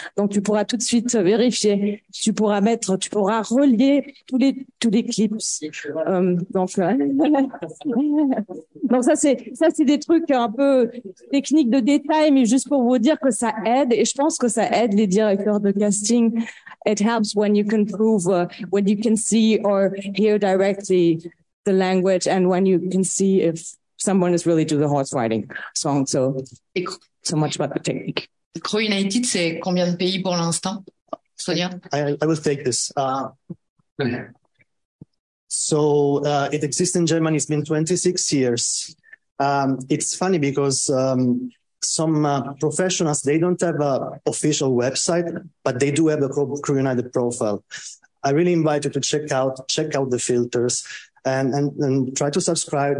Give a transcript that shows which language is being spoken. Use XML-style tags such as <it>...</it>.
<fr>Donc, tu pourras tout de suite vérifier. Tu pourras relier tous les clips. Donc ça c'est des trucs un peu techniques de détail, mais juste pour vous dire que ça aide, et je pense que ça aide les directeurs de casting.</fr> <en>It helps when you can prove, when you can see or hear directly the language, and when you can see if someone is really to the horse riding song. So much about the technique.</en> <fr>Queen-A-Tet, c'est combien de pays pour l'instant, Sonia?</fr> <en>I will take this. So it exists in Germany, it's been 26 years. It's funny because some professionals, they don't have an official website, but they do have a Queen-A-Tet profile. I really invite you to check out the filters and try to subscribe.</en>